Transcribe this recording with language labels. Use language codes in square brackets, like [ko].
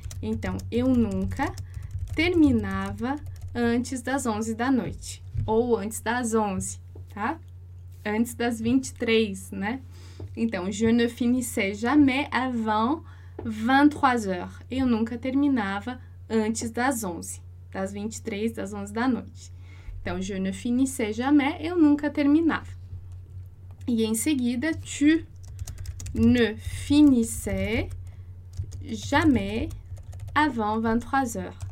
[pt] Então, eu nunca terminava antes das 11 da noite. Ou antes das 11, tá? Antes das 23, né? [fr] Então, je ne finissais jamais avant 23 heures. [pt] Eu nunca terminava antes das 11. Das 23, das 11 da noite. Então, [fr] je ne finissais jamais, [pt] eu nunca terminava. E em seguida, [fr] tu ne finissais jamais avant 23 heures.